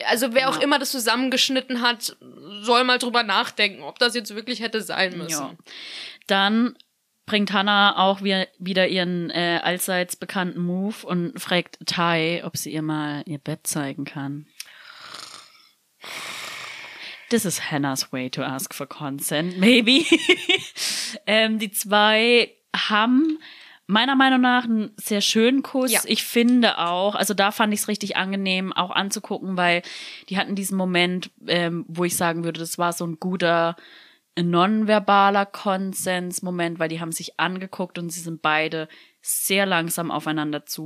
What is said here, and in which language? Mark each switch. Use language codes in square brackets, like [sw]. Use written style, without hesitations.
[de] Also wer auch immer das zusammengeschnitten hat, soll mal drüber nachdenken, ob das jetzt wirklich hätte sein müssen. Ja. Dann bringt Hannah auch wieder ihren allseits bekannten Move und fragt Tai, ob sie ihr mal ihr Bett zeigen kann. [en] This is Hannah's way to ask for consent, maybe. [de] die zwei haben meiner Meinung nach einen sehr schönen Kuss. Ja. Ich finde auch, also da fand ich es richtig angenehm, auch anzugucken, weil die hatten diesen Moment, wo ich sagen würde, das war so ein guter nonverbaler Konsensmoment, weil die haben sich angeguckt und sie sind beide sehr langsam aufeinander zu.